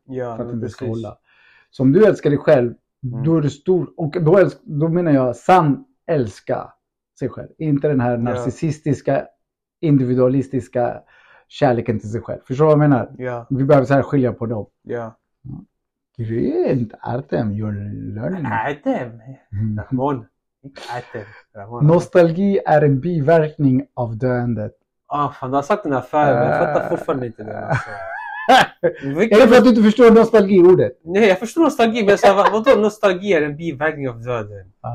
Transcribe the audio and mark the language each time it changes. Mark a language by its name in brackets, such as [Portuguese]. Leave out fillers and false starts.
[Swedish] Ja, för att inte ska hålla. Så om du älskar dig själv, då är det stor, och då, då menar jag sann älska sig själv. Inte den här narcissistiska, individualistiska kärleken till sig själv. Förstår du vad jag menar? [English] Yeah. [Swedish] Vi behöver så här skilja på dem. [English] Yeah. [Swedish] Grymt, [English] Artem, you're learning. Artem, Ramon. Artem, Ramon. [Swedish] Nostalgi är en biverkning av döendet. Fan, du har sagt den här färgen, men jag fattar fortfarande inte det. Vilket... Eller för att du inte förstår nostalgi-ordet? Nej, jag förstår nostalgi, men jag sa, vadå nostalgi är en biverkning av döendet?